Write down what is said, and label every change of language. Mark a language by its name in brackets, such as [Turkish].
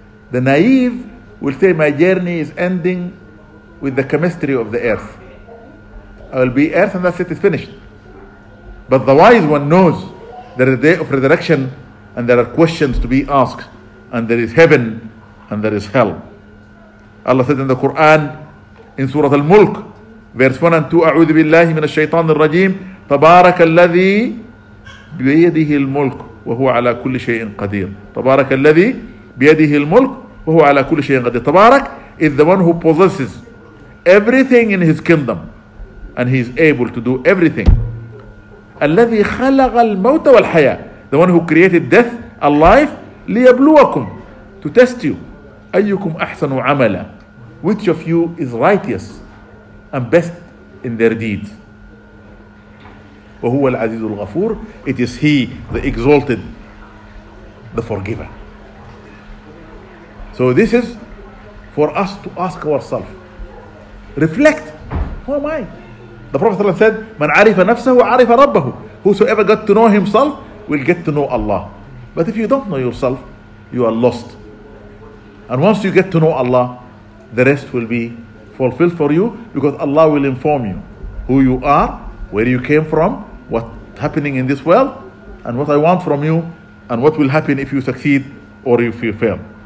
[English] The naive will say, my journey is ending with the chemistry of the earth. I will be earth and that's it, it's finished. But the wise one knows there is a day of resurrection and there are questions to be asked and there is heaven and there is hell. Allah said in the Quran, in Surah Al-Mulk, verse 1 and 2, [Arabic] أعوذ بالله من الشيطان الرجيم تبارك الذي بيده الملك وهو على كل شيء قدير تبارك الذي بيده الملك وهو على كل شيء قدير. تبارك [English] is the one who possesses everything in his kingdom and he is able to do everything. [Arabic] الذي خلق الموت والحياة, [English] the one who created death, a life, [Arabic] ليبلوكم, [English] to test you, [Arabic] أيكم أحسن عملا, [English] which of you is righteous and best in their deeds. [Arabic] وهو العزيز الغفور, [English] it is he, the exalted, the forgiver. So this is for us to ask ourselves, reflect, who am I? The Prophet said, [Arabic] من عرف نفسه عرف ربه. [English] Whosoever got to know himself will get to know Allah. But if you don't know yourself, you are lost. And once you get to know Allah, the rest will be fulfilled for you, because Allah will inform you who you are, where you came from, what's happening in this world, and what I want from you, and what will happen if you succeed or if you fail.